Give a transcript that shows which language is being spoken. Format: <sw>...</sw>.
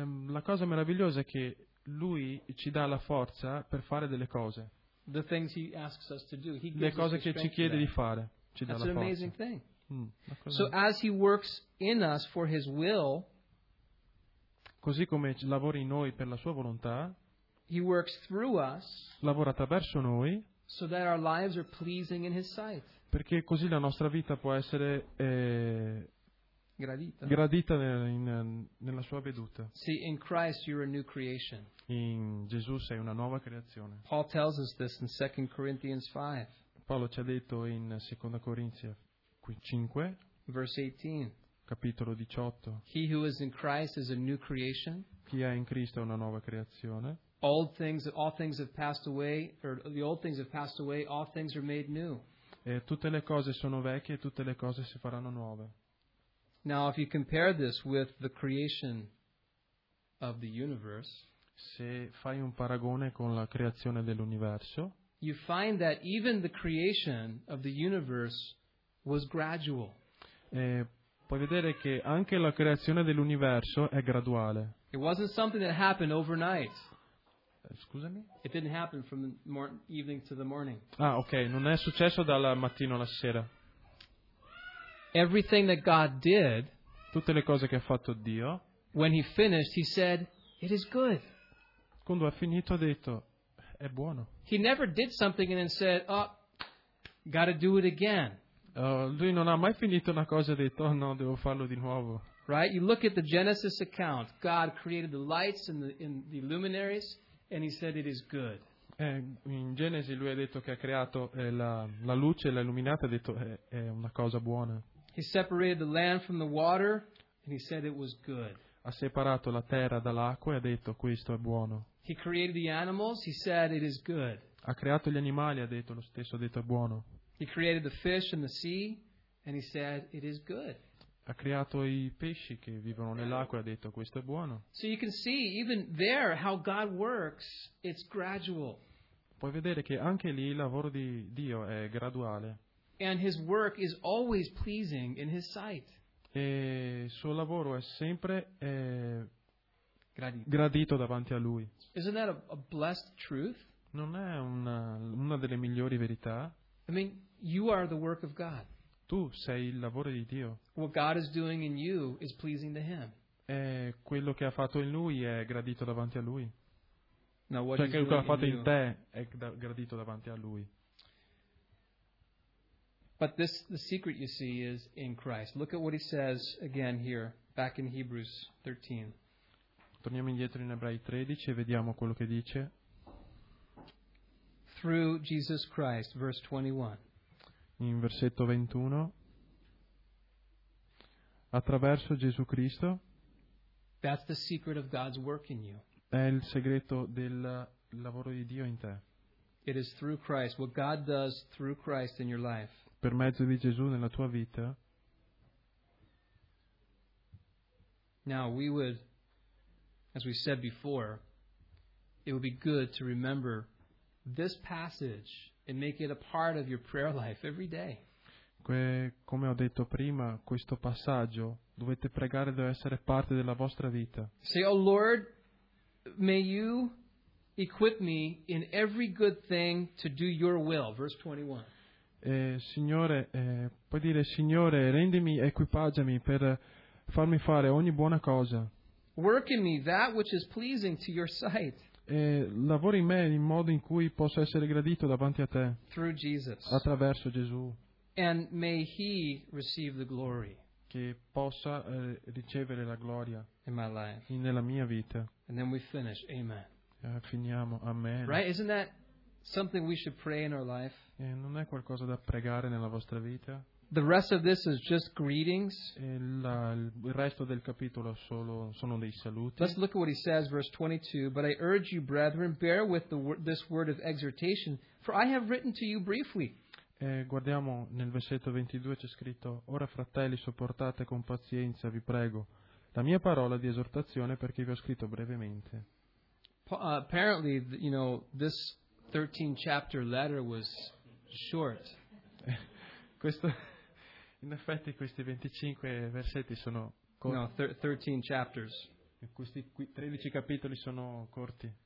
<it>La cosa meravigliosa è che Lui ci dà la forza per fare delle cose.</it> <en>The things He asks us to do. He gives</en> <it>Le cose</it> <en>us</en> <it>che ci chiede di fare. Ci</it> <en>That's</en> <it>dà la</it> <en>an</en> <it>forza.</it> <en>Amazing thing. So as He works in us for His will,</en> <it>così come lavora in noi per la sua volontà,</it> <en>He works through us,</en> <it>lavora attraverso noi,</it> <en>so that our lives are pleasing in His sight,</en> <it>perché così la nostra vita può essere gradita nella sua veduta.</it> <en>See, in Christ you're a new creation.</en> <it>In Gesù sei una nuova creazione.</it> <en>Paul tells us this in 2 Corinthians 5.</en> <it>Paolo ci ha detto in 2 Corinzi 5,</it> <en>verse 18.</en> <it>Capitolo 18.</it> <en>He who is in Christ is a new creation.</en> <it>Chi è in Cristo è una nuova creazione.</it> <en>All things have passed away, or the old things have passed away, all things are made new.</en> <it>E tutte le cose sono vecchie e tutte le cose si faranno nuove.</it> <en>Now if you compare this with the creation of the universe,</en> <it>se fai un paragone con la creazione dell'universo,</it> <en>you find that even the creation of the universe was gradual.</en> <it>Puoi vedere che anche la creazione dell'universo è graduale.</it> <en>It wasn't something that happened overnight.</en> <it>Scusami?</it> <en>It didn't happen from evening to the morning.</en> <it>Ah, ok, non è successo dal mattino alla sera.</it> <en>Everything that God did,</en> <it>tutte le cose che ha fatto Dio,</it> <en>when He finished, He said, "It is good."</en> <it>Quando ha finito ha detto, è buono.</it> <en>He never did something and then said, "Oh, gotta do it again."</en> <it>Lui non ha mai finito una cosa e detto, oh no, devo farlo di nuovo.</it> <en>Right? You look at the Genesis account. God created the lights and the luminaries, and He said it is good.</en> <it>In Genesi lui ha detto che ha creato la luce e la illuminata, ha detto è una cosa buona.</it> <en>He separated the land from the water, and He said it was good.</en> <it>Ha separato la terra dall'acqua e ha detto questo è buono.</it> <en>He created the animals, He said it is good.</en> <it>Ha creato gli animali, ha detto lo stesso, ha detto è buono.</it> <en>He created the fish and the sea, and He said it is good.</en> <it>Ha creato i pesci che vivono nell'acqua e ha detto questo è buono.</it> <en>So you can see even there how God works, it's gradual.</en> <it>Puoi vedere che anche lì il lavoro di Dio è graduale.</it> <en>And His work is always pleasing in His sight.</en> <it>E il suo lavoro è sempre gradito davanti a Lui.</it> <en>Isn't that a blessed truth?</en> <it>Non è una delle migliori verità?</it> <en>I mean, you are the work of God.</en> <it>Tu sei il lavoro di Dio.</it> <en>What God is doing in you is pleasing to Him.</en> <it>E quello che ha fatto in Lui è gradito davanti a Lui.</it> <en>Now, what</en> <it>cioè, quello che ha fatto in</it> <en>you.</en> <it>Te è gradito davanti a Lui.</it> <en>But this, the secret you see is in Christ. Look at what He says again here, back in Hebrews 13.</en> <it>Torniamo indietro in Ebrei 13 e vediamo quello che dice.</it> <en>Through Jesus Christ, verse 21.</en> <it>In versetto 21. Attraverso Gesù Cristo.</it> <en>That's the secret of God's work in you.</en> <it>È il segreto del lavoro di Dio in te.</it> <en>It is through Christ, what God does through Christ in your life.</en> <it>Per mezzo di Gesù nella tua vita.</it> <en>Now we would, as we said before, it would be good to remember this passage and make it a part of your prayer life every day.</en> <it>Come ho detto prima, questo passaggio dovete pregare, deve essere parte della vostra vita.</it> <en>Say, oh Lord, may you equip me in every good thing to do your will. Verse 21.</en> <it>Signore, puoi dire, Signore, rendimi, equipaggiami per farmi fare ogni buona cosa.</it> <en>Work in me that which is pleasing to your sight.</en> <it>Lavori in me in modo in cui posso essere gradito davanti a te.</it> <en>Through Jesus.</en> <it>Attraverso Gesù.</it> <en>And may He receive the glory.</en> <it>Che possa ricevere la gloria.</it> <en>In my life.</en> <it>Nella mia vita.</it> <en>And then we finish. Amen.</en> <it>Finiamo. Amen.</it> <en>Right? Isn't that something we should pray in our life?</en> <it>Non è qualcosa da pregare nella vostra vita?</it> <en>The rest of this is just greetings.</en> <it>Il resto del capitolo sono dei saluti.</it> <en>Let's look at what he says, verse 22. But I urge you, brethren, bear with this word of exhortation, for I have written to you briefly.</en> <it>Guardiamo nel versetto 22, c'è scritto: Ora fratelli, sopportate con pazienza, vi prego, la mia parola di esortazione, perché vi ho scritto brevemente.</it> <en>Apparently, you know, this 13 chapter letter was short.</en> <it>Questo, in effetti, questi 25 versetti sono corti.</it> <en>No, 13 chapters.</en> <it>Questi 13 capitoli sono corti.</it>